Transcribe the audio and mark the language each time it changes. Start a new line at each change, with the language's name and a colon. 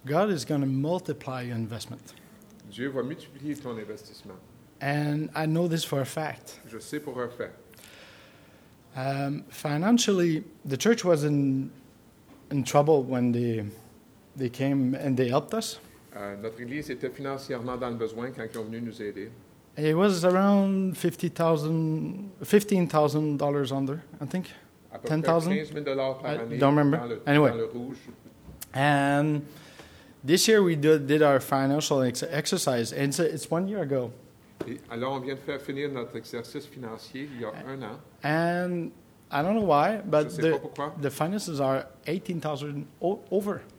English: God is going to multiply your investment.
French: Dieu va multiplier ton investissement.
English: And I know this for a fact.
French: Je sais pour un fait.
English: Financially, the church was in trouble when they came and they helped us.
French: Notre église était financièrement dans le besoin quand ils sont venus nous aider.
English: It was around $15,000 under, I think. $10,000? I don't remember. Anyway. And this year we did our financial exercise. And it's 1 year ago.
French: Alors, on vient de faire finir notre exercice financier il y a un an.
English: And I don't know why, but the finances are $18,000 over.